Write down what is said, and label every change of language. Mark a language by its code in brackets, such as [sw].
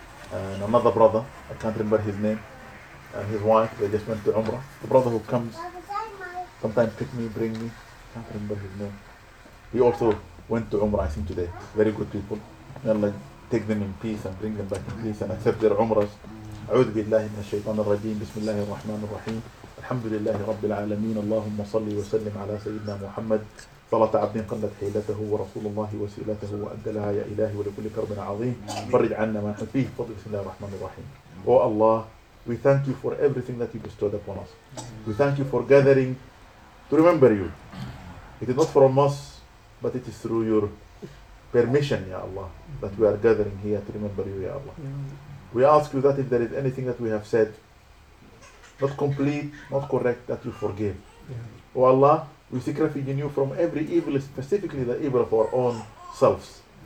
[en] And another brother, I can't remember his name, and his wife, they just went to Umrah. The brother who comes, sometimes pick me, bring me, can't remember his name. He also went to Umrah, I think, today. Very good people. May Allah take them in peace and bring them back in peace and accept their Umrahs. [ar] أعوذ بالله من الشيطان الرجيم بسم الله الرحمن الرحيم الحمد لله رب العالمين اللهم صل وسلم على سيدنا محمد صلاة عبد قلت حيلته ورسول الله وسيلته وأدى لها يا إلهي ولكل كرب عظيم فرج عنا ما فيه فضل بسم الله الرحمن الرحيم [en] O Allah, we thank you for everything that you bestowed upon us. We thank you for gathering to remember you. It is not from us, but it is through your permission, Ya Allah, that we are gathering here to remember you, Ya Allah. We ask you that if there is anything that we have said, not complete, not correct, that you forgive. Oh Allah, we seek refuge in you from every evil, specifically the evil of our own selves.